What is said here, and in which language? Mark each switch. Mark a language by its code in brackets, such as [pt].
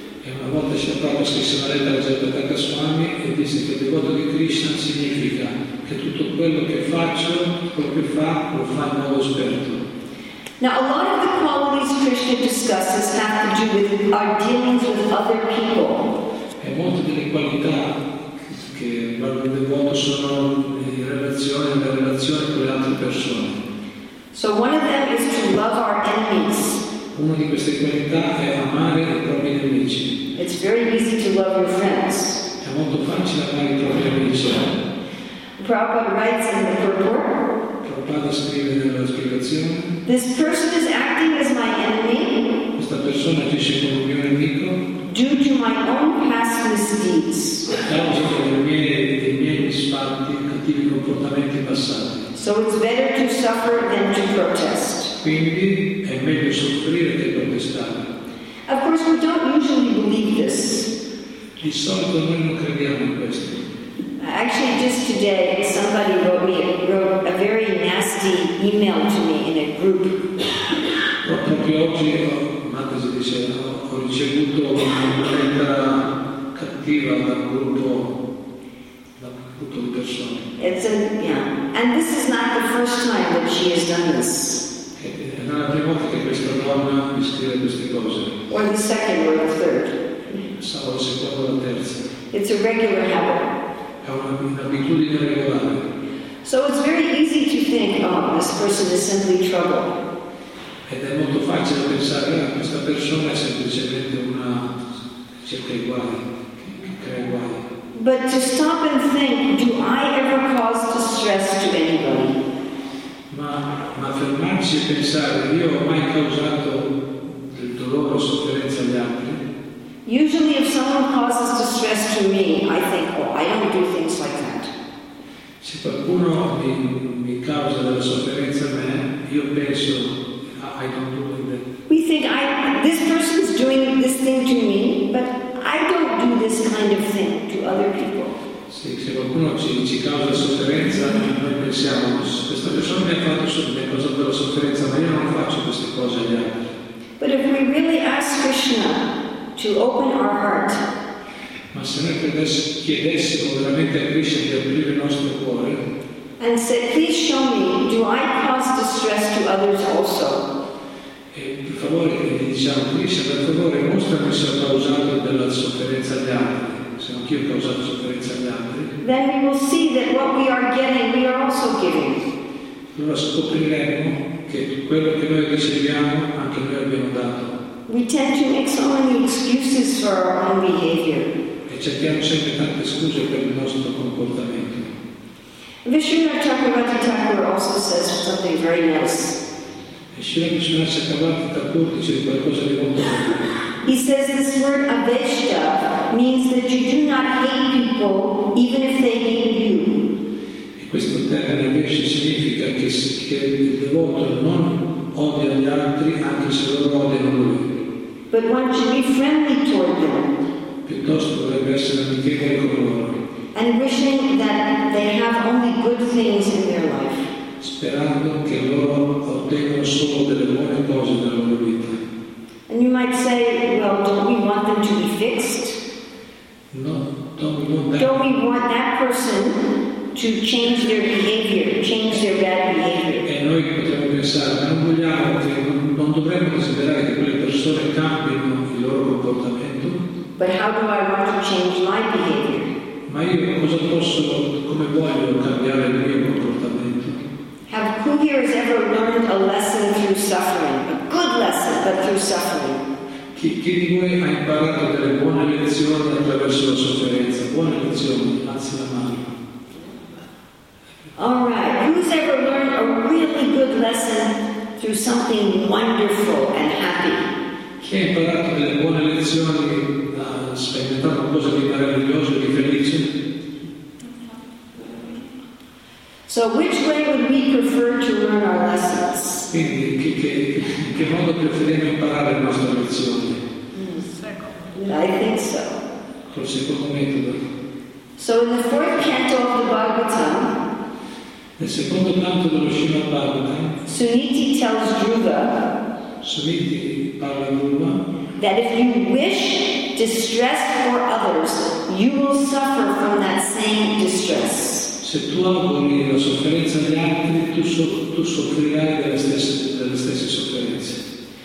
[it] E una volta c'è proprio scritto una lettera a Jagannatha Swami e disse che il devoto di Krishna significa che tutto quello che faccio, quello che fa, lo fa in modo esperto. [en] Now a lot of the qualities Krishna discusses have to do with our dealings with other people. [it] E molte delle qualità che il devoto sono in relazione, nella relazione con le altre persone. [en] So one of them is to love our enemies. [it] Una di queste qualità è amare i propri nemici. [en] It's very easy to love your friends. [it] È molto facile amare i propri amici. [en] Prabhupada writes in the purport. [it] Prabhupada scrive nella spiegazione. [en] This person is acting as my enemy. [it] Questa persona agisce come mio nemico. [en] Due to my own past misdeeds. [it] A causa dei miei misfatti, cattivi comportamenti passati. [en] So it's better to suffer than to protest. [it] Quindi è meglio soffrire che protestare. [en] Of course, we don't usually believe this. [it] Di solito noi non crediamo in questo. [en] Actually, just today, somebody wrote a very nasty email to me in a group. [it] Proprio oggi, Matasi dice, ho ricevuto una lettera cattiva dal gruppo di persone. [en] And this is not the first time that she has done this. [it] Non è la prima volta che questa donna mi scrive queste cose. [en] Or the second or the third. [it] Sabato, la seconda o la terza. [en] It's a regular habit. [it] Un'abitudine regolare. [en] So it's very easy to think, oh, this person is simply trouble. [it] Ed è molto facile pensare che questa persona è semplicemente una cerca uguale, che crea uguale. [en] But to stop and think, do I ever cause distress to anybody? [it] Ma fermarsi e pensare, io ho mai causato del dolore o sofferenza agli altri? [en] Usually if someone causes distress to me, I think, oh, I don't do things like that. [it] Se qualcuno mi causa della sofferenza a me, io penso, [en] I don't do it. We think, this person is doing this thing to me, but I don't do this kind of thing to other people. [it] Se qualcuno ci causa sofferenza, noi pensiamo, questa persona mi ha causato della sofferenza, ma io non faccio queste cose agli altri. [en] But if we really ask Krishna to open our heart. [it] Ma se noi chiedessimo veramente a Krishna di aprire il nostro cuore. [en] And say, please show me, do I cause distress to others also? [it] E per favore, diciamo, Krishna, per favore, mostrami se ho causato della sofferenza agli altri, se anch'io ho causato sofferenza agli altri. [en] Then we will see that what we are getting, we are also giving. [it] Allora scopriremo che quello che noi riceviamo, anche noi abbiamo dato. [en] We tend to make so many excuses for our own behavior. [it] E cerchiamo sempre tante scuse per il nostro comportamento. [en] Vishnu Chakravarti Thakur also says something very nice. [it] E Srila Vishnu Chakravarti Thakur dice qualcosa di molto bello. [en] He says this word avesha means that you do not hate people even if they hate you. [it] E questo termine avesha significa che il devoto non odia gli altri anche se loro odiano lui. [en] But one should be friendly toward them. [it] Piuttosto dovrebbe essere amichevole con loro. [en] And wishing that they have only good things in their life. [it] Sperando che loro ottengano solo delle buone cose nella loro vita. [en] And you might say, well, don't we want them to be fixed? No, don't we want that? Don't we want that person to change their behavior, change their bad behavior? [it] E noi potremmo pensare, non vogliamo che non dovremmo desiderare che quelle persone cambino il loro comportamento. [en] But how do I want to change my behavior? [it] Ma io cosa posso, come voglio cambiare il mio comportamento? [en] Have Kuhirs ever learned a lesson through suffering? A good lesson, but through suffering. [it] Chi di voi ha imparato delle buone lezioni attraverso la sofferenza? Buone lezioni, alzi la mano. [en] All right, who's ever learned a really good lesson through something wonderful and happy? [it] Chi ha imparato delle buone lezioni, ha sperimentato qualcosa di meraviglioso, di felice? [en] So which way would we prefer to learn our lessons? [it] Quindi, che modo preferiamo imparare le nostre lezioni? [en] I think so. [it] Col secondo metodo. [en] So in the fourth canto of the Bhagavatam, [it] nel secondo canto dello Srimad Bhagavatam, [en] Suniti tells Dhruva, [it] Suniti parla a Dhruva, [en] that if you wish distress for others, you will suffer from that same distress. [it] Se tu auguri la sofferenza degli altri, tu soffrirai delle stesse sofferenze.